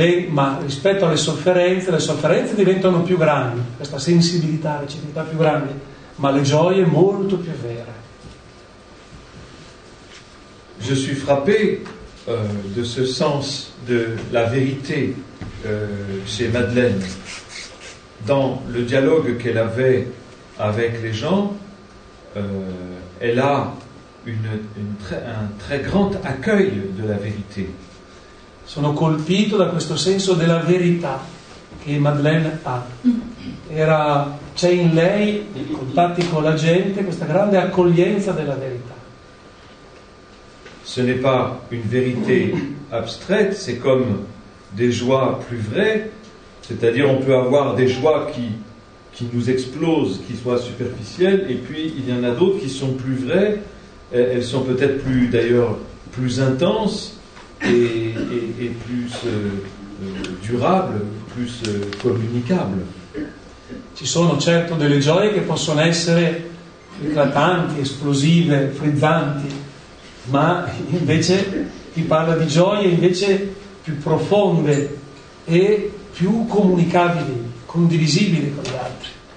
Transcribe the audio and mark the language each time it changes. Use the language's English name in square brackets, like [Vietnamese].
[Italian] Ma rispetto alle sofferenze, le sofferenze diventano più grandi, questa sensibilità, recettività più grande, ma le gioie molto più vere. [French] Je suis frappé de ce sens de la vérité. Chez Madeleine, dans le dialogue qu'elle avait avec les gens, elle a un très grand accueil de la vérité. [Italian] Sono colpito da questo senso della verità che Madeleine ha. C'è in lei, nei contatti con la gente, questa grande accoglienza della verità. [French] Ce n'est pas une vérité abstraite, c'est comme des joies plus vraies, c'est-à-dire on peut avoir des joies qui nous explosent, qui soient superficielles, et puis il y en a d'autres qui sont plus vraies, elles sont peut-être plus, d'ailleurs, plus intenses et plus durable, plus communicable. [Italian] Ci sono certo delle gioie che possono essere eclatanti, esplosive, frizzanti, ma invece chi parla di gioie invece più profonde e più comunicabili, condivisibili con gli altri.